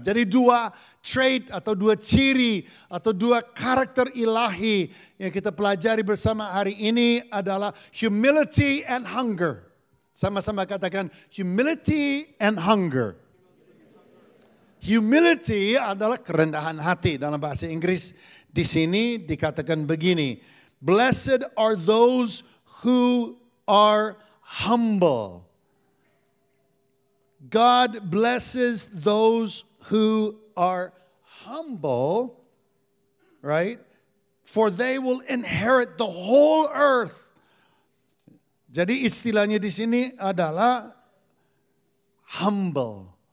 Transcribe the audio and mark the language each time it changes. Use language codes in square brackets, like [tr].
[id] Jadi dua trait atau dua ciri atau dua karakter ilahi yang kita pelajari bersama hari ini adalah [en] humility and hunger. [id] Sama-sama katakan [en] humility and hunger. [id] Humility adalah kerendahan hati dalam bahasa Inggris. Di sini dikatakan begini, [en] blessed are those who are humble. God blesses those who are humble, right? For they will inherit the whole earth. [id] Jadi istilahnya di sini adalah humble.